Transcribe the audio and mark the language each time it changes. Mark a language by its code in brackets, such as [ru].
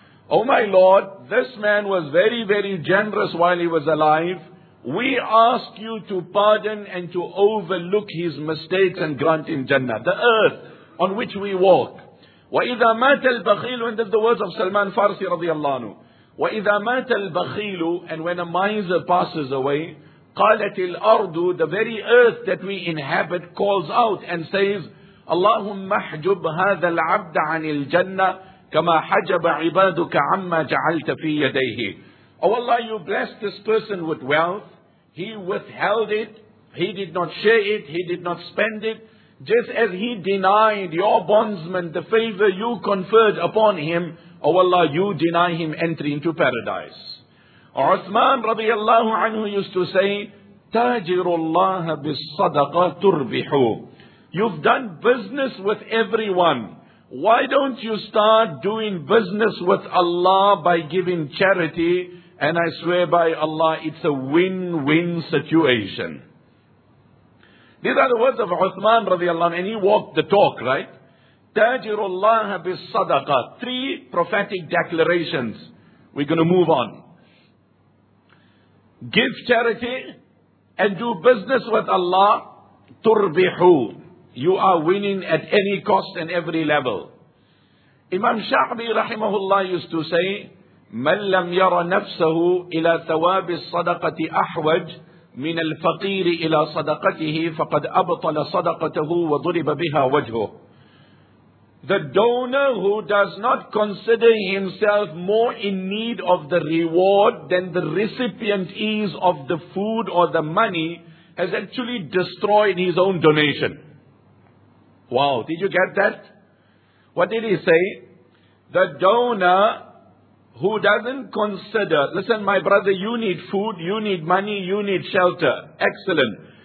[en] O my Lord, this man was very, very generous while he was alive. We ask you to pardon and to overlook his mistakes and grant him Jannah, the earth on which we walk. [ar] وَإِذَا مَاتَ الْبَخِيلُ [en] and that's the words of Salman Farsi radiallahu anhu. [ar] وَإِذَا مَاتَ الْبَخِيلُ [en] and when a miser passes away, [ar] قَالَتِ الْأَرْضُ [en] the very earth that we inhabit calls out and says, [ar] اللَّهُمَّ احْجُبْ هَذَا الْعَبْدَ عَنِ الْجَنَّةِ كَمَا حَجَبَ عِبَادُكَ عَمَّا جَعَلْتَ فِي يَدَيْهِ. [en] Oh Allah, you blessed this person with wealth. He withheld it. He did not share it. He did not spend it. Just as he denied your bondsman the favor you conferred upon him, oh Allah, you deny him entry into paradise. Uthman radiallahu anhu used to say, [ar] تَاجِرُ اللَّهَ بِالصَّدَقَ تُرْبِحُ. [en] You've done business with everyone. Why don't you start doing business with Allah by giving charity? And I swear by Allah, it's a win-win situation. These are the words of Uthman radiallahu anhu, and he walked the talk, right? [ar] تَاجِرُ اللَّهَ بِالصَّدَقَةِ. [en] Three prophetic declarations. We're going to move on. Give charity and do business with Allah. [ar] تُرْبِحُ. [en] You are winning at any cost and every level. Imam Sha'bi rahimahullah used to say, [ar] مَنْ لَمْ يَرَ نَفْسَهُ إِلَى ثَوَابِ الصَّدَقَةِ أَحْوَجِ من الفقير إلى صدقته فقد أبطل صدقته وضرب بها وجهه. [en] The donor who does not consider himself more in need of the reward than the recipient is of the food or the money has actually destroyed his own donation. Wow, did you get that? What did he say? The donor who doesn't consider, listen my brother, you need food, you need money, you need shelter. Excellent.